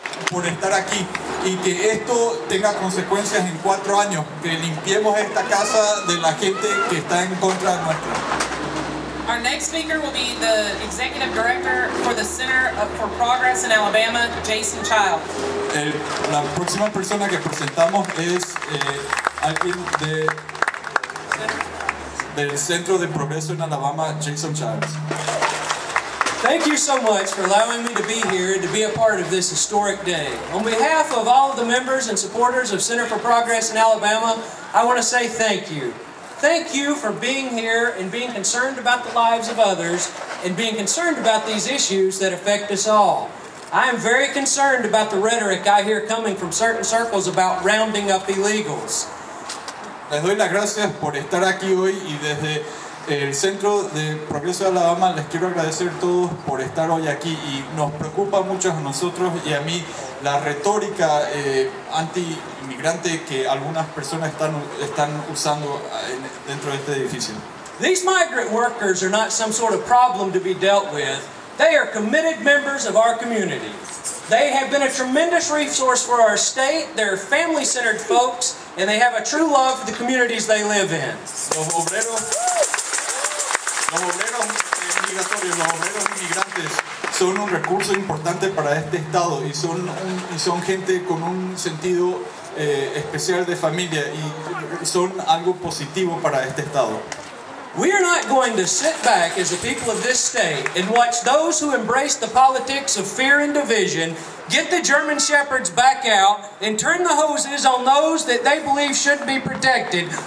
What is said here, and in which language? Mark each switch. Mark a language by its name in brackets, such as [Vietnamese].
[Spanish] Por estar aquí, y que esto tenga consecuencias en 4 años, que limpiemos esta casa de la gente que está en contra de nuestra. [English] Our next speaker will be the executive director for the Center for Progress in Alabama, Jason Child. [Spanish] La próxima persona que presentamos es alguien del Centro de Progreso en Alabama, Jason Child. [English] Thank you so much for allowing me to be here and to be a part of this historic day. On behalf of all of the members and supporters of Center for Progress in Alabama, I want to say thank you. Thank you for being here and being concerned about the lives of others and being concerned about these issues that affect us all. I am very concerned about the rhetoric I hear coming from certain circles about rounding up illegals. [Spanish] Les doy las gracias por estar aquí hoy, y desde el Centro de Progreso de Alabama les quiero agradecer a todos por estar hoy aquí, y nos preocupa mucho a nosotros y a mí la retórica anti-inmigrante que algunas personas están usando dentro de este edificio. [English] These migrant workers are not some sort of problem to be dealt with. They are committed members of our community. They have been a tremendous resource for our state. They're family-centered folks, and they have a true love for the communities they live in. [Spanish] Los obreros migratorios, los obreros inmigrantes son un recurso importante para este estado, y son gente con un sentido especial de familia, y son algo positivo para este estado. [English] We are not going to sit back as the people of this state and watch those who embrace the politics of fear and division get the German Shepherds back out and turn the hoses on those that they believe shouldn't be protected.